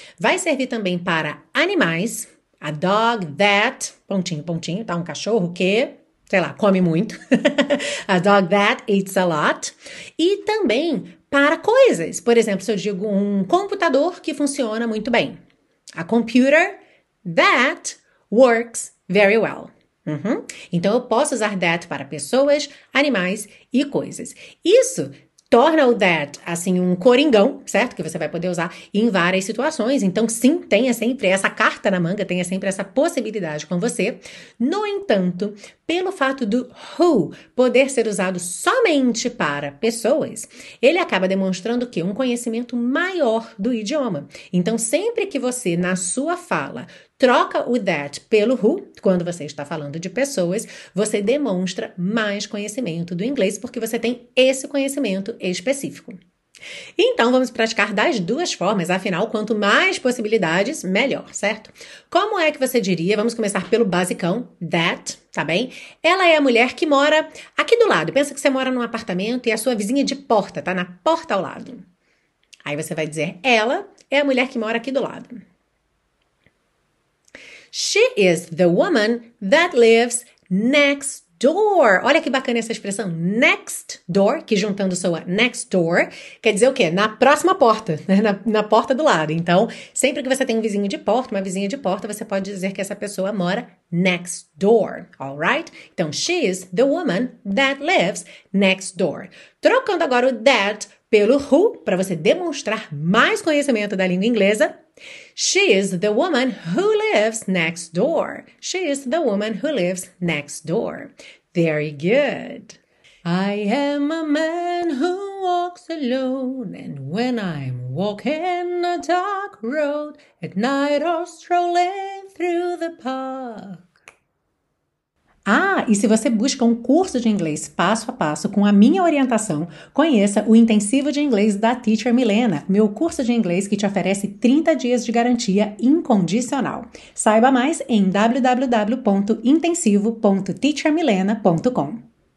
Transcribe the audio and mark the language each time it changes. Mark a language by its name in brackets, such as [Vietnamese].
[Portuguese] Vai servir também para animais, [English] a dog, that, [Portuguese] pontinho, pontinho, tá? Um cachorro que, sei lá, come muito. [English] A dog that eats a lot. [Portuguese] E também para coisas. Por exemplo, se eu digo um computador que funciona muito bem. [English] A computer that works very well. Uhum. [Portuguese] Então, eu posso usar that para pessoas, animais e coisas. Isso torna o that, assim, um coringão, certo? Que você vai poder usar em várias situações. Então, sim, tenha sempre essa carta na manga, tenha sempre essa possibilidade com você. No entanto, pelo fato do who poder ser usado somente para pessoas, ele acaba demonstrando que um conhecimento maior do idioma. Então, sempre que você, na sua fala, troca o that pelo who, quando você está falando de pessoas, você demonstra mais conhecimento do inglês, porque você tem esse conhecimento específico. Então, vamos praticar das duas formas, afinal, quanto mais possibilidades, melhor, certo? Como é que você diria, vamos começar pelo basicão, that, tá bem? Ela é a mulher que mora aqui do lado, pensa que você mora num apartamento e a sua vizinha de porta, tá na porta ao lado. Aí você vai dizer, ela é a mulher que mora aqui do lado. [English] She is the woman that lives next door. [Portuguese] Olha que bacana essa expressão, next door, que juntando soa next door, quer dizer o quê? Na próxima porta, né? Na porta do lado. Então, sempre que você tem um vizinho de porta, uma vizinha de porta, você pode dizer que essa pessoa mora next door, [English] all right? Então, she is the woman that lives next door. [Portuguese] Trocando agora o that pelo who, para você demonstrar mais conhecimento da língua inglesa, [English] she is the woman who lives next door. She is the woman who lives next door. Very good. I am a man who walks alone, and when I'm walking a dark road, at night or strolling through the park. [Portuguese] Ah, e se você busca um curso de inglês passo a passo com a minha orientação, conheça o Intensivo de Inglês da Teacher Milena, meu curso de inglês que te oferece 30 dias de garantia incondicional. Saiba mais em www.intensivo.teachermilena.com.